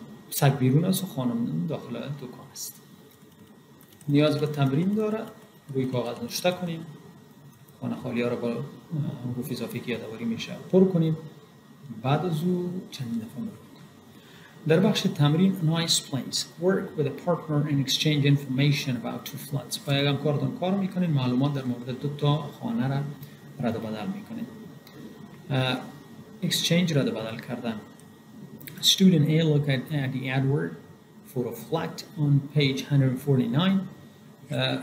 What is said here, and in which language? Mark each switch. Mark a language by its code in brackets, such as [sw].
[fa] سگ بیرون است و خانم داخل دکان است. نیاز به تمرین داره. روی کاغذ نشته کنیم. خانه خالی ها رو با حروف اضافه که یادآوری میشه پر کنیم. بعد از او چند دفعه مرور کنیم. در بخش تمرین nice place. [en] Work with a partner and exchange information about two flats. [fa] با یک همکارتون کار میکنید. معلومات در مورد دو تا خانه را رد و بدل میکنید. [en] Exchange [fa] رد و بدل کردن. [en] Student A look at the adword for a flat on page 149.